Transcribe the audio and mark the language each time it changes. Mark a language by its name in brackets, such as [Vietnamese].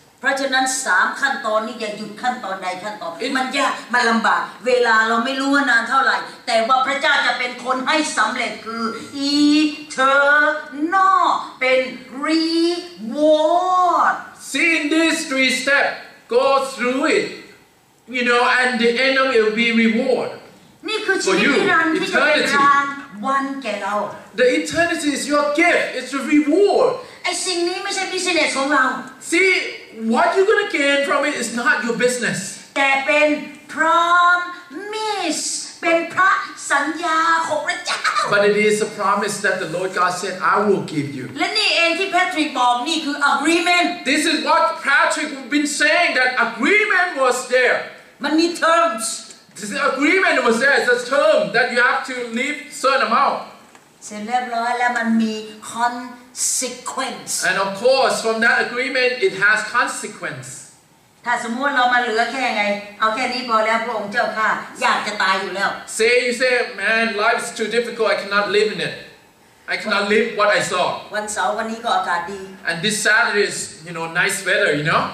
[Thai] เพราะฉะนั้น3ขั้นตอนนี้อย่าหยุดขั้นตอนใดขั้นตอนมันยากมันลำบากเวลาเราไม่รู้ว่านานเท่าไหร่แต่ว่าพระเจ้าจะเป็นคนให้สำเร็จคือ eternal เป็น reward [English] see in these three steps go through it you know and the end of it will be reward [Thai] นี่คือชีวิตนิรันดร์ที่จะเป็นรางวัลแก่เรา [English] the eternity is your gift it's a reward [Thai] ไอ้สิ่งนี้ไม่ใช่ business ของเรา [English] See what you're gonna gain from it is not your business. [Thai] แต่เป็น promise เป็นพระสัญญาของพระเจ้า [English] But it is a promise that the Lord God said I will give you. [Thai] และนี่เองที่ Patrick บอกนี่คือ agreement. [English] This is what Patrick been saying that agreement was there. [Thai] มันมี terms. [English] This agreement was there. It's a term that you have to live certain amount. [Thai] เสร็จเรียบร้อยแล้วมันมี consequence [English] and of course from that agreement it has consequence [Thai] ถ้าสมมุติเรามาเหลือแค่ไงเอาแค่นี้พอแล้วพระองค์เจ้าค่ะอยากจะตายอยู่แล้ว [English] say you say man life is too difficult I cannot live in it I cannot live what I saw [Thai] วันเสาร์วันนี้ก็อากาศดี [English] and this Saturday is you know nice weather you know